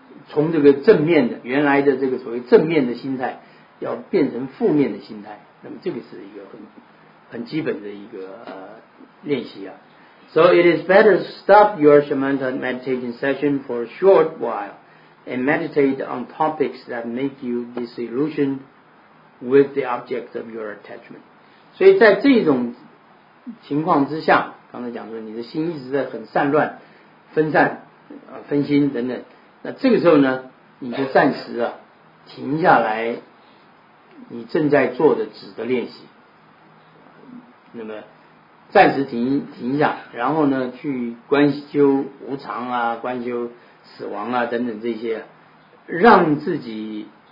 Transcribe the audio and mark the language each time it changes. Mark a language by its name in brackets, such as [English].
[Chinese] 从这个正面的原来的这个所谓正面的心态要变成负面的心态，那么这个是一个很基本的一个练习啊。 [English] So it is better to stop your shamatha meditation session for a short while and meditate on topics that make you disillusioned with the object of your attachment. [Chinese] 所以在这种情况之下，刚才讲说你的心一直在很散乱分散、分心等等，那这个时候呢你就暂时啊停下来你正在做的止的练习，那么暂时停下，然后呢去观修无常啊、观修死亡啊等等这些，让自己